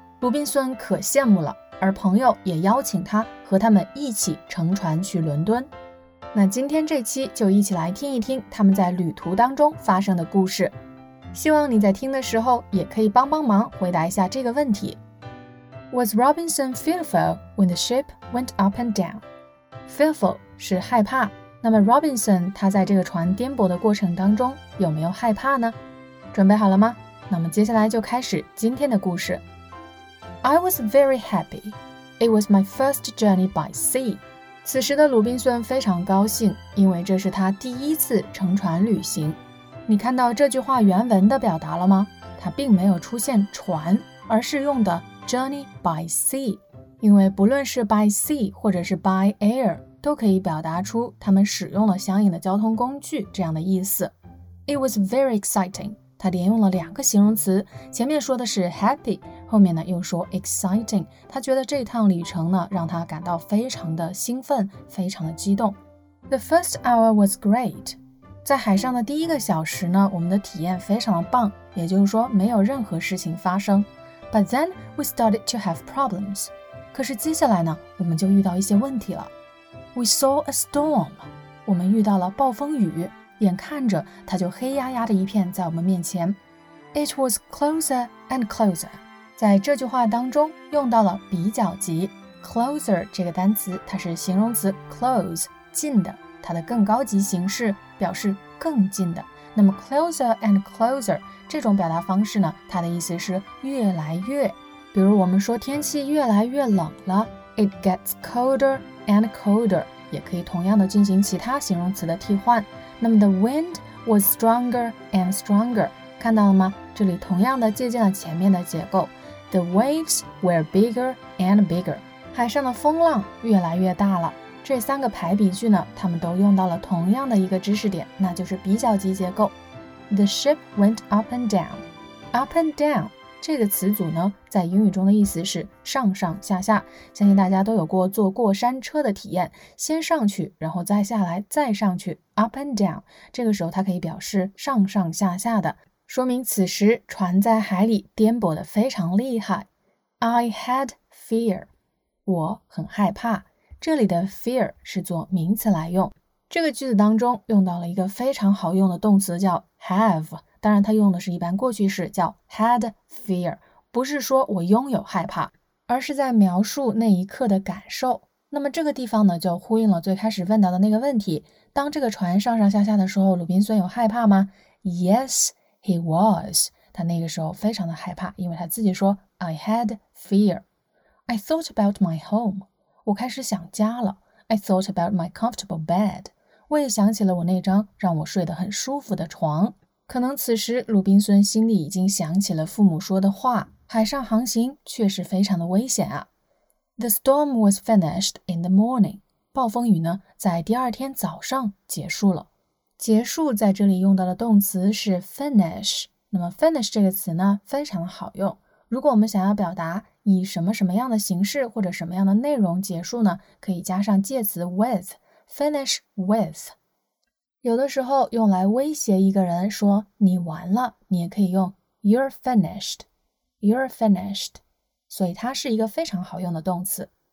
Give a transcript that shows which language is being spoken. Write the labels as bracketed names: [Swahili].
[Chinese] 鲁滨孙可羡慕了，而朋友也邀请他和他们一起乘船去伦敦。那今天这期就一起来听一听他们在旅途当中发生的故事。希望你在听的时候也可以帮帮忙回答一下这个问题。 [English] Was Robinson fearful when the ship went up and down? [Chinese] Fearful 是害怕，那么 Robinson 他在这个船颠簸的过程当中有没有害怕呢？准备好了吗？那么接下来就开始今天的故事。 [English] I was very happy. It was my first journey by sea. [Chinese] 此时的鲁滨孙非常高兴，因为这是他第一次乘船旅行。你看到这句话原文的表达了吗？它并没有出现船，而是用的Journey by sea， 因为不论是 by sea 或者是 by air， 都可以表达出他们使用了相应的交通工具这样的意思。 [English] It was very exciting， [Chinese] 他连用了两个形容词，前面说的是 happy， 后面呢又说 exciting， 他觉得这趟旅程呢让他感到非常的兴奋，非常的激动。 [English] The first hour was great， [Chinese] 在海上的第一个小时呢，我们的体验非常的棒，也就是说没有任何事情发生。 [English] But then we started to have problems. [Chinese] 可是接下来呢，我们就遇到一些问题了。 [English] We saw a storm. [Chinese] 我们遇到了暴风雨，眼看着它就黑压压的一片在我们面前。 [English] It was closer and closer. [Chinese] 在这句话当中用到了比较级。Closer 这个单词它是形容词 close, 近的，它的更高级形式表示更近的。那么 closer and closer 这种表达方式呢，它的意思是越来越，比如我们说天气越来越冷了， [English] It gets colder and colder， [Chinese] 也可以同样的进行其他形容词的替换。那么 [English] the wind was stronger and stronger， [Chinese] 看到了吗？这里同样的借鉴了前面的结构， [English] The waves were bigger and bigger， [Chinese] 海上的风浪越来越大了。这三个排比句呢，他们都用到了同样的一个知识点，那就是比较级结构。 [English] The ship went up and down. [Chinese] Up and down 这个词组呢，在英语中的意思是上上下下。相信大家都有过坐过山车的体验，先上去，然后再下来，再上去。 Up and down 这个时候它可以表示上上下下的，说明此时船在海里颠簸得非常厉害。 [English] I had fear. [Chinese] 我很害怕。这里的 fear 是做名词来用，这个句子当中用到了一个非常好用的动词叫 have， 当然它用的是一般过去式叫 had fear， 不是说我拥有害怕，而是在描述那一刻的感受。那么这个地方呢，就呼应了最开始问到的那个问题，当这个船上上下下的时候，鲁滨孙有害怕吗？ [English] Yes, he was， [Chinese] 他那个时候非常的害怕，因为他自己说 [English] I had fear. I thought about my home， [Chinese] 我开始想家了。 [English] I thought about my comfortable bed， [Chinese] 我也想起了我那张让我睡得很舒服的床。可能此时鲁滨孙心里已经想起了父母说的话，海上航行确实非常的危险啊。 [English] The storm was finished in the morning， [Chinese] 暴风雨呢在第二天早上结束了。结束在这里用到的动词是 finish， 那么 finish 这个词呢非常的好用，如果我们想要表达以什么什么样的形式或者什么样的内容结束呢，可以加上介词 with， finish with。有的时候用来威胁一个人说你完了，你也可以用 [English] you're finished， you're finished， [Chinese] 所以它是一个非常好用的动词。